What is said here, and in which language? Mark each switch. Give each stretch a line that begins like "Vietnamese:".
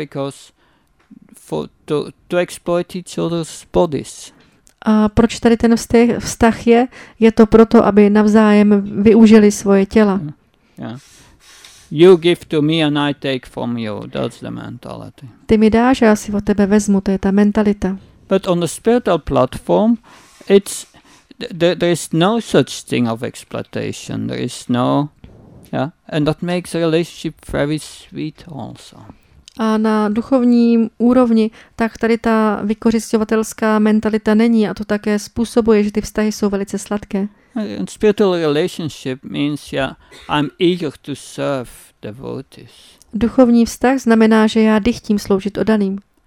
English: Because to exploit each other's bodies.
Czech: A proč tady ten vztah je? Je to proto, aby navzájem využili svoje těla.
English: Yeah. You give to me and I take from you. That's the mentality.
Czech: Ty mi dáš a já si od tebe vezmu. To je ta mentalita.
English: But on the spiritual platform, there is no such thing of exploitation. There is no, yeah. And that makes a relationship very sweet also.
Czech: A na duchovním úrovni, tak tady ta vykořisťovatelská mentalita není a to také způsobuje, že ty vztahy jsou velice sladké.
English: And spiritual relationship means, yeah, I'm eager to serve devotees.
Czech: Duchovní vztah znamená, že já dychtím sloužit oddaným.